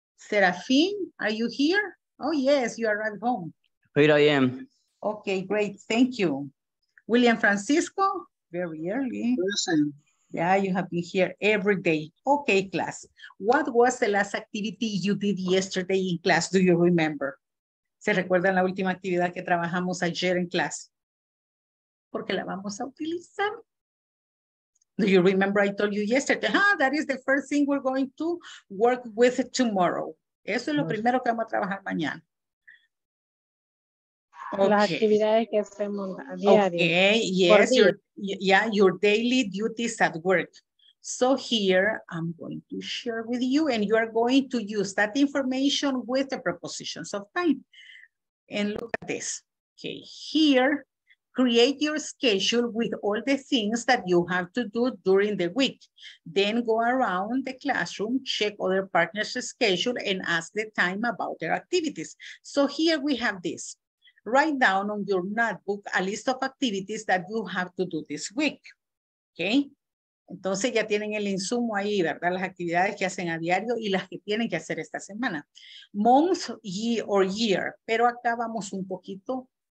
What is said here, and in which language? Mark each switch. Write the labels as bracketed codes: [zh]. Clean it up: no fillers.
[en] Serafín, are you here? Oh, yes, you are right home. Here I am. Okay, great, thank you. William Francisco, very early. Present. Yeah, you have been here every day. Okay, class, what was the last activity you did yesterday in class? Do you remember? [es] ¿Se recuerdan la última actividad que trabajamos ayer en clase? Porque la vamos a utilizar. [en] Do you remember I told you yesterday? Ah, that is the first thing we're going to work with tomorrow. [es] Eso es lo primero que vamos a trabajar mañana. Okay. Las actividades que hacemos a diario. [en] Okay, yes, your daily duties at work. So here I'm going to share with you and you are going to use that information with the prepositions of time. And look at this. Okay, here, create your schedule with all the things that you have to do during the week. Then go around the classroom, check other partners' schedule and ask the time about their activities. So here we have this. Write down on your notebook a list of activities that you have to do this week, okay? [es] Entonces ya tienen el insumo ahí, ¿verdad? Las actividades que hacen a diario y las que tienen que hacer esta semana. [en] Month, year, or year. [es] Pero acá vamos un poquito